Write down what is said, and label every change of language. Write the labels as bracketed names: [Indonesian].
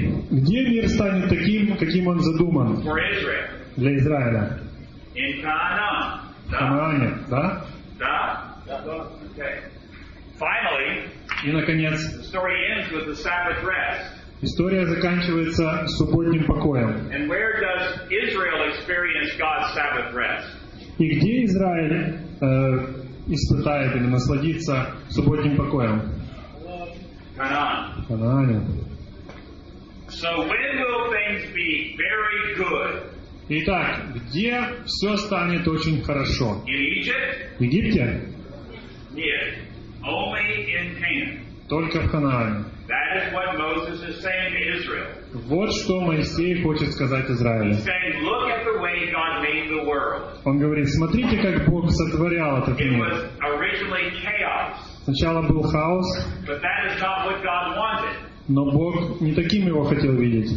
[Russian] Где мир станет таким, каким он задуман? Для Израиля. [English] In Canaan. Да. [Russian] Canaan, да? Да. Да. [English] Okay. Finally, [Russian] и наконец, [English] the story ends with the Sabbath rest. [Russian] История заканчивается субботним покоем. [English] And where does Israel experience God's Sabbath rest? [Russian] И где Израиль испытает или насладится субботним покоем? [English] Canaan. So when will things be very good? [Russian] Итак, где все станет очень хорошо? В Египте? [English] Нет. Only in Canaan. [Russian] Только в Ханаане. [English] That is what Moses is saying to Israel. [Russian] Вот что Моисей хочет сказать Израилю. [English] He's saying, look at the way God made the world. [Russian] Он говорит, смотрите, как Бог сотворял этот мир. [English] It was originally chaos. [Russian] Сначала был хаос. [English] But that is not what God wanted. [Russian] Но Бог не таким его хотел видеть.